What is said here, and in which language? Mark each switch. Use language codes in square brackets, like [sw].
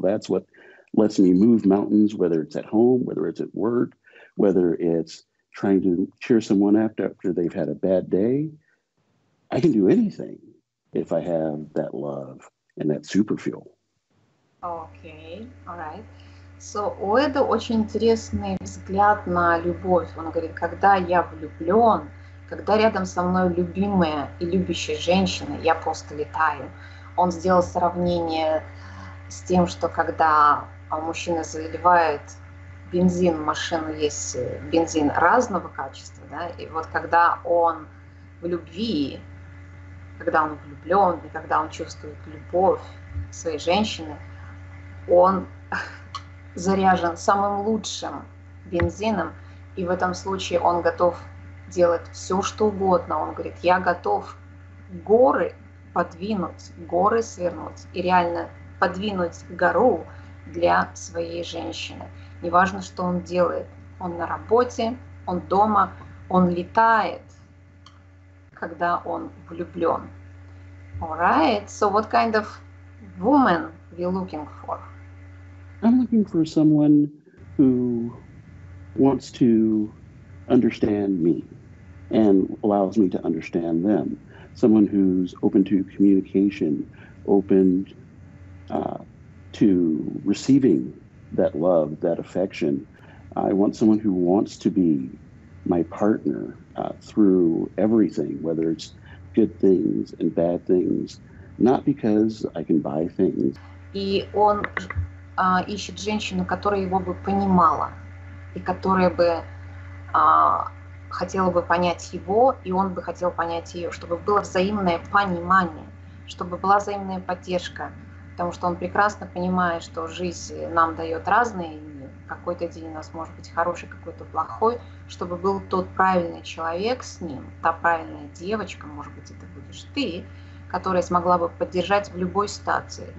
[en] That's what lets me move mountains, whether it's at home, whether it's at work, whether it's trying to cheer someone up after they've had a bad day. I can do anything if I have that love and that super fuel. Okay, all right. [ru] So, у Эда очень интересный взгляд на любовь. Он говорит, когда я влюблен, когда рядом со мной любимая и любящая женщина, я просто летаю. Он сделал сравнение с тем, что когда мужчина заливает бензин в машину, есть бензин разного качества, да, и вот когда он в любви, когда он влюблен, и когда он чувствует любовь своей женщины, он заряжен самым лучшим бензином, и в этом случае он готов делать все, что угодно. Он говорит, я готов горы подвинуть, горы свернуть, и реально подвинуть гору для своей женщины. Неважно, что он делает. Он на работе, он дома, он летает, когда он влюблен. [en] All right, so what kind of woman are you looking for? I'm looking for someone who wants to understand me and allows me to understand them. Someone who's open to communication, open to receiving that love, that affection. I want someone who wants to be my partner through everything, whether it's good things and bad things, not because I can buy things. [ru] И он ищет женщину, которая его бы понимала и которая бы хотела бы понять его, и он бы хотел понять ее, чтобы было взаимное понимание, чтобы была взаимная поддержка. Потому что он прекрасно понимает, что жизнь нам дает разные, и какой-то день у нас может быть хороший, какой-то плохой, чтобы был тот правильный человек с ним, та правильная девочка, может быть, это будешь ты, которая смогла бы поддержать в любой ситуации.